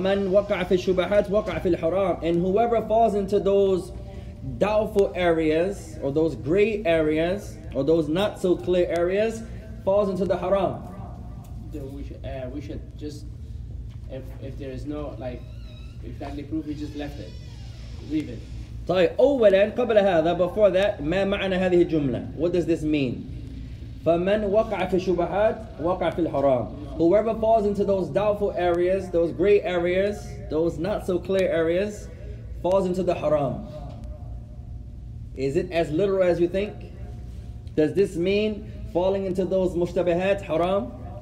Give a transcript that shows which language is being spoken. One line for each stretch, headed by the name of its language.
Arabic: ومن وقع في الشبهات وقع في الحرام
English: and whoever falls into those doubtful areas or those gray areas or those not so clear areas falls into the haram. Then we should just if there is no like exactly proof, we just left it, leave it.
Arabic: طيب اولا قبل هذا
English: before that
Arabic: ما معنى هذه الجملة,
English: what does this mean?
Arabic: فَمَنْ وَقَعَ فِي الشُّبَهَاتِ وَقَعَ فِي الْحَرَامِ.
English: Whoever falls into those doubtful areas, those gray areas, those not so clear areas, falls into the haram. Is it as literal as you think? Does this mean falling into those mushtabahat haram?